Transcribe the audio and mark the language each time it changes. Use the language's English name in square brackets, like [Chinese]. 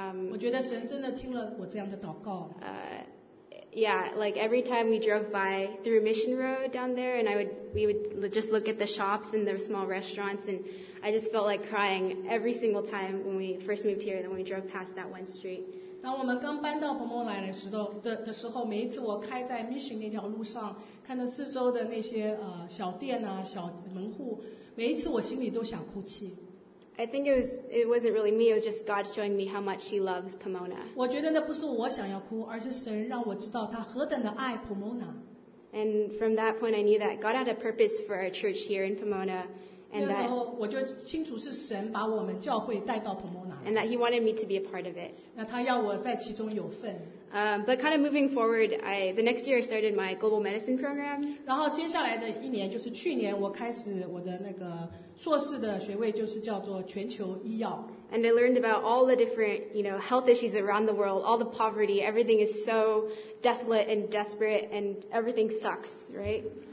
[Chinese] 我觉得神真的听了我这样的祷告。 [English] Yeah, like every time we drove by through Mission Road down there, and we would just look at the shops and the small restaurants, and I just felt like crying every single time when we first moved here, and when we drove past that one street. [Chinese] 当我们刚搬到彭莫来的时候，每一次我开在 Mission 那条路上，看到四周的那些小店啊、小门户，每一次我心里都想哭泣。 [English] I think it wasn't really me. It was just God showing me how much He loves Pomona. [Chinese] 我觉得那不是我想要哭，而是神让我知道他何等的爱 Pomona. [English] And from that point, I knew that God had a purpose for our church here in Pomona. [Chinese] 那时候我就清楚是神把我们教会带到 Pomona. [English] And that He wanted me to be a part of it. [Chinese] 那他要我在其中有份。 [English] But kind of moving forward, the next year I started my global medicine program. [Chinese] 然后接下来的一年就是去年我开始我的那个硕士的学位，就是叫做全球医药。 [English] And I learned about all the different, you know, health issues around the world, all the poverty. Everything is so desolate and desperate, and everything sucks, right?